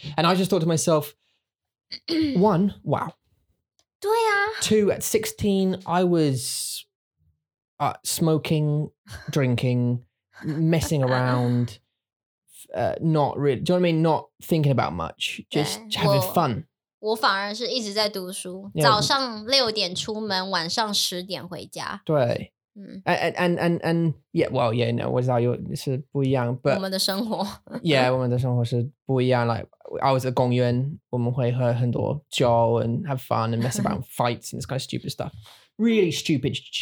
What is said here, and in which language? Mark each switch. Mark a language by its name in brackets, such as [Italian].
[English] And I just thought to myself, one, wow. [Chinese] 对啊. [English] Two, at 16, I was smoking, drinking, messing around, not really, do you know what I mean? Not thinking about much, just having fun. [Chinese] 我反而是一直在读书, yeah. 早上6点出门, 晚上10点回家. 对。 [English] And yeah, well, yeah, no, was that your, it's a [Chinese] 不一样, [English] but [Chinese] 我们的生活. [English] Yeah, [Chinese] 我们的生活是不一样, [English] like I was at Gongyuan, [Chinese] 我们会喝很多酒 [English] and have fun and mess about fights and this kind of stupid stuff. Really stupid.